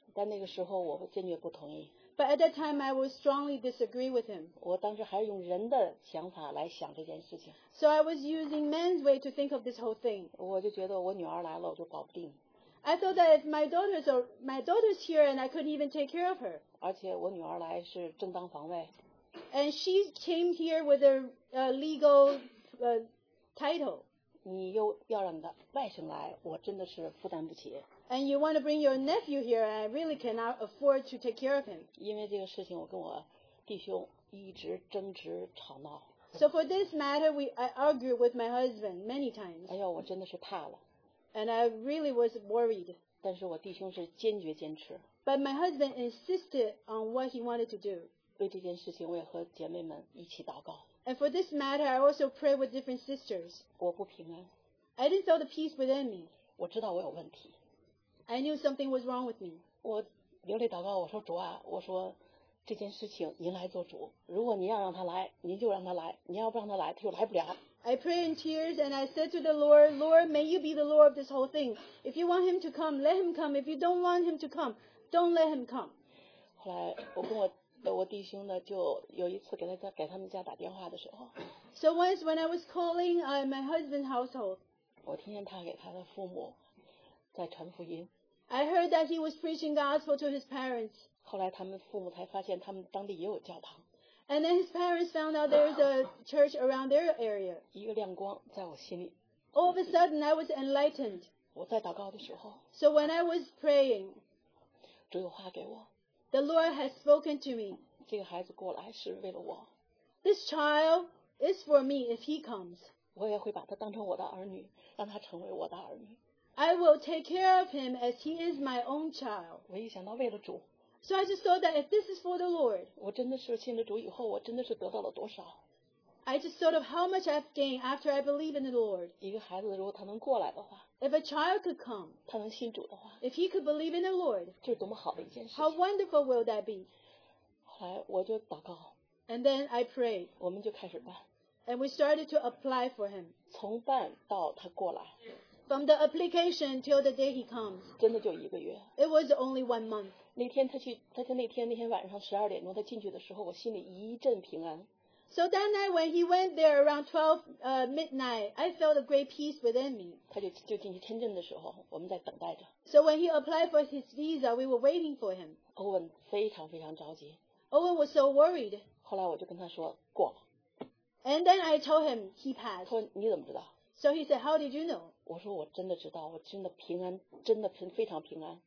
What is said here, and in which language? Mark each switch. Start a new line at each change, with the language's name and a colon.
Chinese: 但那个时候我坚决不同意。
English: But at that time, I would strongly disagree with him.
Chinese: 我当时还是用人的想法来想这件事情。
English: So I was using man's way to think of this whole thing.
Chinese: 我就觉得我女儿来了，我就搞不定。
English: I thought that if my daughter's here and I couldn't even take care of her.
Chinese: 而且我女儿来是正当防卫。
English: And she came here with a legal title.
Chinese: 你又要让你的外甥来，我真的是负担不起。
English: And you want to bring your nephew here, and I really cannot afford to take care of him.
Chinese: 因为这个事情，我跟我弟兄一直争执吵闹。
English: So for this matter, I argued with my husband many times.
Chinese: 哎呦，我真的是怕了。
English: And I really was worried.
Chinese: 但是我弟兄是坚决坚持。
English: But my husband insisted on what he wanted to do.
Chinese: 为这件事情，我也和姐妹们一起祷告。
English: And for this matter, I also prayed with different sisters.
Chinese: 我不平安。
English: I didn't feel the peace within me.
Chinese: 我知道我有问题。
English: I knew something was wrong with me.
Chinese: 我流泪祷告，我说主啊，我说这件事情您来做主。如果您要让他来，您就让他来；您要不让他来，他就来不了。
English: I prayed in tears and I said to the Lord, Lord, may you be the Lord of this whole thing. If you want him to come, let him come. If you don't want him to come, don't let him come.
Chinese: 后来我跟我弟兄呢，就有一次给他们家打电话的时候。
English: So once when I was calling my husband's household,
Chinese: 我听见他给他的父母。在传福音。
English: I heard that he was preaching gospel to his parents.
Chinese: 后来他们父母才发现他们当地也有教堂。
English: And then his parents found out there's a church around their area.
Chinese: 一个亮光在我心里。
English: All of a sudden, I was enlightened.
Chinese: 我在祷告的时候。
English: So when I was praying,
Chinese: 主有话给我。
English: The Lord has spoken to me.
Chinese: 这个孩子过来是为了我。
English: This child is for me if he comes.
Chinese: 我也会把他当成我的儿女，让他成为我的儿女。
English: I will take care of him as he is my own child.
Chinese: 我一想到为了主。
English: So I just thought that if this is for the Lord,
Chinese: 我真的是信了主以后，我真的是得到了多少。
English: I just thought of how much I've gained after I believe in the Lord.
Chinese: 一个孩子如果他能过来的话。
English: If a child could come,
Chinese: 他能信主的话。
English: If he could believe in the Lord,
Chinese: 这是多么好的一件事情。
English: How wonderful will that be?
Chinese: 后来我就祷告。
English: And then I prayed.
Chinese: 我们就开始办。
English: And we started to apply for him.
Chinese: 从办到他过来。
English: From the application till the day he comes,
Chinese: 真的就一个月。
English: It was only one month.
Chinese: 那天那天晚上十二点钟他进去的时候，我心里一阵平安。
English: So that night when he went there around 12 midnight, I felt a great peace within me.
Chinese: 他就进去签证的时候，我们在等待着。
English: So when he applied for his visa, we were waiting for him.
Chinese: Owen 非常非常着急。
English: Owen was so worried.
Chinese: 后来我就跟他说过了。
English: And then I told him he passed.
Chinese: 说你怎么知道？
English: So he said, how did you know?
Chinese: 我说我真的知道，我真的平安，真的非常平安。